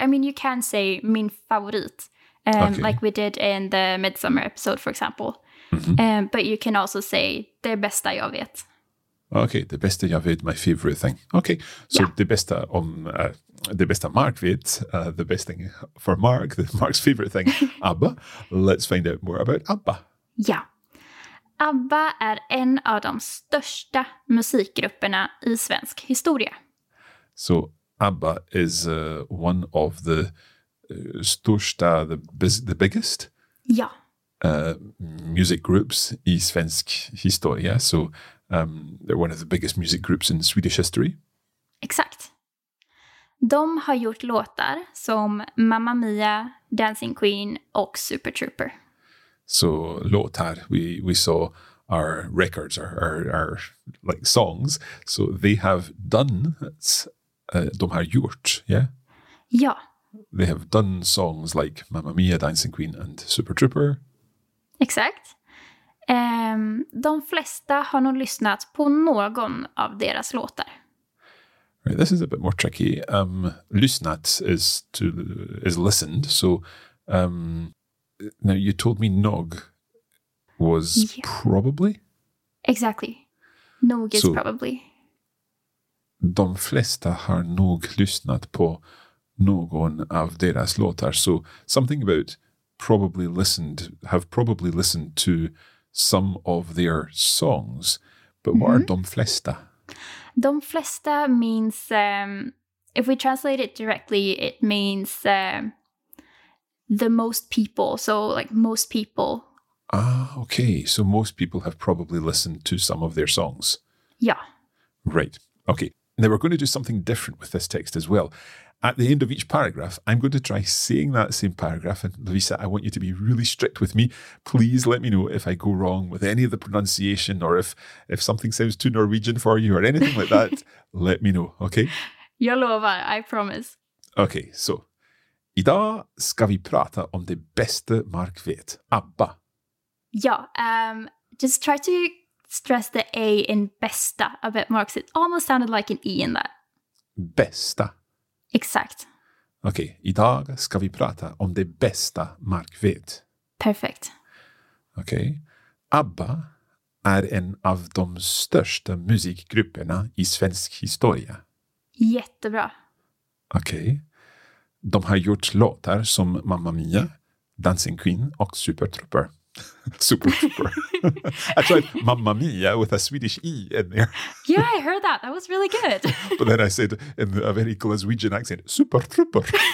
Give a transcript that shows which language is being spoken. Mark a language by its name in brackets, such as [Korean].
[English] I mean, you can say [Swedish] min favorit. [English] Okay. Like we did in the Midsummer episode, for example. Mm-hmm. But you can also say [Swedish] det bästa jag vet. [English] Okay, [Swedish] det bästa jag vet, [English] my favorite thing. Okay, so yeah. [Swedish] Det bästa om det bästa Mark vet, [English] the best thing for Mark, Mark's favorite thing, ABBA. Let's find out more about ABBA. [Swedish] Ja, ABBA är en av de största musikgrupperna i svensk historia. [English] So ABBA is one of the [Swedish] största, [English] the biggest? [Swedish] Ja. [English] Music groups [Swedish] i svensk historia, [English] so... they're one of the biggest music groups in Swedish history. [Swedish] Exakt. De har gjort låtar som Mamma Mia, Dancing Queen och Super Trooper. Så låtar, [English] we saw our records, our like songs. So they have done, [Swedish] de har gjort, [English] yeah? [Swedish] Ja. [English] They have done songs like Mamma Mia, Dancing Queen and Super Trooper. [Swedish] Exakt. De flesta har nog lyssnat på någon av deras låtar. [English] Right, this is a bit more tricky. Lyssnat is listened. So now you told me nog was probably. Exactly. Nog is so probably. [Swedish] De flesta har nog lyssnat på någon av deras låtar. [English] So something about probably listened, have probably listened to some of their songs. But what are [Swedish] de flesta? De flesta [English] means, if we translate it directly, it means the most people. So like most people. Ah, okay. So most people have probably listened to some of their songs. Yeah. Right. Okay. Now we're going to do something different with this text as well. At the end of each paragraph, I'm going to try saying that same paragraph. And Lovisa, I want you to be really strict with me. Please let me know if I go wrong with any of the pronunciation or if something sounds too Norwegian for you or anything like that. Let me know, okay? [Swedish] Jag lovar, [English] I promise. Okay, so. [Swedish] Idag ska vi prata om det bästa Mark vet. ABBA. [English] Yeah, just try to stress the A in bästa a bit more because it almost sounded like an E in that. [Swedish] Bästa. Exakt. Okej, idag ska vi prata om det bästa Mark vet. Perfekt. Okej. ABBA är en av de största musikgrupperna i svensk historia. Jättebra. Okej. De har gjort låtar som Mamma Mia, Dancing Queen och Super Trooper. Super Trooper. [English] I tried Mamma Mia with a Swedish E in there. Yeah, I heard that. That was really good. But then I said in a very Glaswegian accent, Super Trooper.